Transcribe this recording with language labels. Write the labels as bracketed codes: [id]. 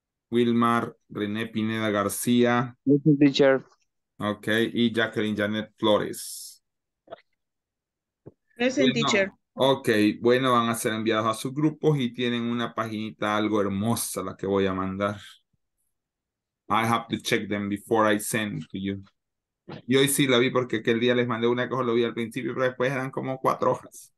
[es] Wilmar René Pineda García. [en] Present, teacher. [es] Ok, y Jacqueline Janet Flores. [en] Present, teacher. [es] Ok, bueno, van a ser enviados a sus grupos y tienen una paginita algo hermosa la que voy a mandar. [en] I have to check them before I send to you. [es] Y hoy sí la vi porque aquel día les mandé una cosa, lo vi al principio, pero después eran como 4 hojas.